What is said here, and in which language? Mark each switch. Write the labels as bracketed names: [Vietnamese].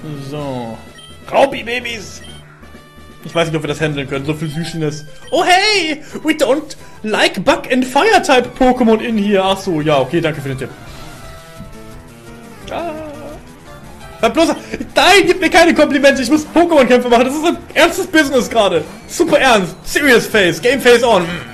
[German] So. Raubi-Babys! Ich weiß nicht, ob wir das handeln können. So viel Süßes. Oh hey! [English] We don't like Bug and Fire-Type Pokémon in here. [German] Ach so, ja, okay, danke für den Tipp. Bloß, nein, gib mir keine Komplimente, ich muss Pokémon-Kämpfe machen, das ist ein ernstes Business gerade. Super ernst, [English] serious face, game face on.